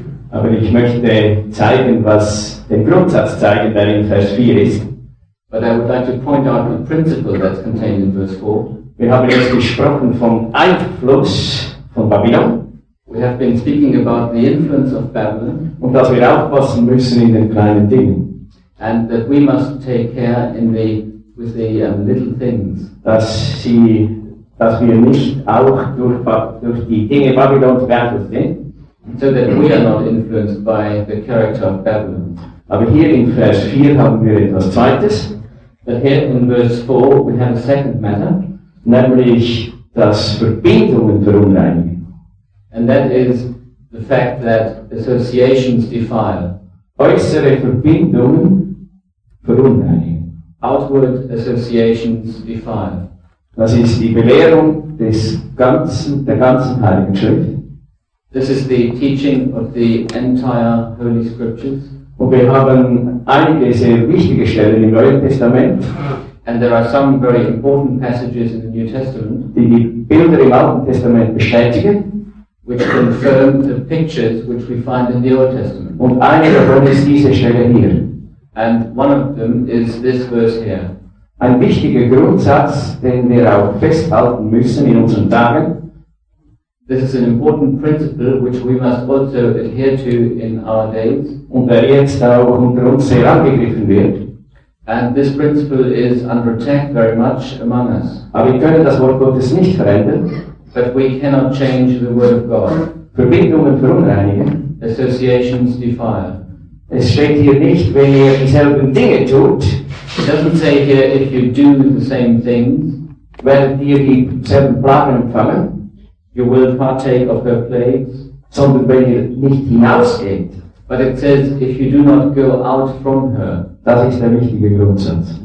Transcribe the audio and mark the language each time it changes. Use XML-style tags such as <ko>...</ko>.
<de>Aber ich möchte zeigen, was den Grundsatz zeigen, der in Vers 4 ist.</de> <en>But I would like to point out the principle that's contained in verse 4.</en> <de>Wir haben jetzt gesprochen vom Einfluss von Babylon.</de> <en>We have been speaking about the influence of Babylon.</en> <de>Und dass wir aufpassen müssen in den kleinen Dingen.</de> <en>And that we must take care in the with the little things.</en> <de>Dass wir nicht auch durch die Dinge Babylons beeinflusst sind.</de> <en>So that we are not influenced by the character of Babylon.</en> <de>Aber hier in Vers 4 haben wir etwas Zweites.</de> <en>But here in Verse 4 we have a second matter.</en> <de>Nämlich das Verbindungen verunreinigen.</de> <en>And that is the fact that associations defile.</en> <de>Äußere Verbindungen verunreinigen.</de> <en>Outward associations defile.</en> <de>Das ist die Belehrung der ganzen Heiligen Schrift.</de> <en>This is the teaching of the entire Holy Scriptures.</en> <de>Und wir haben einige sehr wichtige Stellen im Neuen Testament.</de> <en>And there are some very important passages in the New Testament.</en> <de>Die Bilder im Alten Testament bestätigen.</de> <en>Which confirm the pictures which we find in the Old Testament.</en> <de>Und eine davon ist diese Stelle hier.</de> <en>And one of them is this verse here.</en> <de>Ein wichtiger Grundsatz, den wir auch festhalten müssen in unseren Tagen.</de> <en>This is an important principle which we must also adhere to in our days.</en> <de>Und der jetzt auch unter uns sehr angegriffen wird.</de> <en>And this principle is under attack very much among us.</en> <de>Aber wir können das Wort Gottes nicht verändern.</de> <en>But we cannot change the word of God.</en> <de>Verbindungen verunreinigen.</de> <en>Associations defile.</en> <de>Es steht hier nicht, wenn ihr dieselben Dinge tut.</de> <en>It doesn't say here if you do the same things,</en> <de>wenn ihr die selben Plagen empfangen,</de> <en>you will partake of her plagues,</en> <de>sondern wenn ihr nicht hinausgeht.</de> <en>But it says if you do not go out from her.</en> <de>Das ist der wichtige Grundsatz.</de>